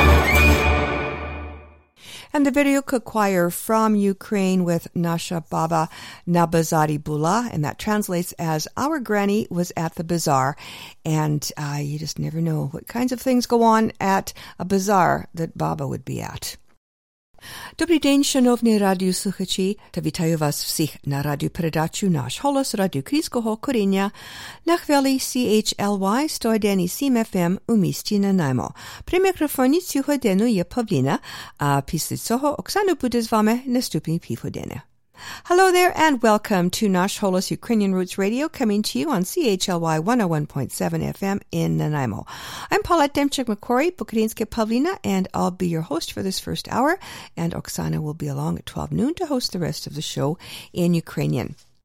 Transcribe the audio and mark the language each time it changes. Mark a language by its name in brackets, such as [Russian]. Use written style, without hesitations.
[English] Veryuka Choir from Ukraine with Nasha Baba na Bazari Bula, and that translates as "Our granny was at the bazaar," and you just never know what kinds of things go on at a bazaar that Baba would be at. [Ukrainian] Добрий день, шановні радіослухачі, та вітаю вас всіх на радіопередачу «Наш голос» радіоукраїнського коріння на хвилі CHLY 101.7 FM у місті Нанаймо. При мікрофоні цього дену є Павліна, а після цього Оксана буде з вами наступні півгодини. [English] Hello there and welcome to Nash Holos Ukrainian Roots Radio, coming to you on CHLY 101.7 FM in Nanaimo. I'm Paulette Demchuk-McCory, Bukharinske Pavlina, and I'll be your host for this first hour, and Oksana will be along at 12 noon to host the rest of the show in Ukrainian.